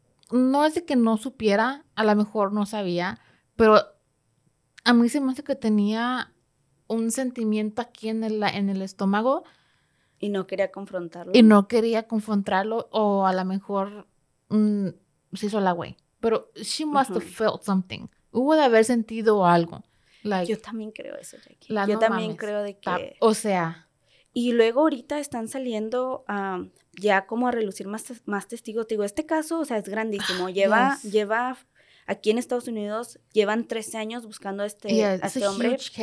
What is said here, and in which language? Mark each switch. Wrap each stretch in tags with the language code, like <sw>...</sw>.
<es>No es de que no supiera, a lo mejor no sabía, pero a mí se me hace que tenía un sentimiento aquí en el estómago. Y no quería confrontarlo. Y no quería confrontarlo, o a lo mejor se hizo la güey. Pero</es> <en>she must have felt something.</en> <es>Hubo de haber sentido algo.</es> <en>Like,</en> <es>yo también creo eso, Jackie. Yo no también mames. Creo de que... O sea... Y luego ahorita están saliendo ya como a relucir más testigos. Digo, este caso, o sea, es grandísimo. Lleva aquí en Estados Unidos, llevan 13 años buscando a este hombre.</es>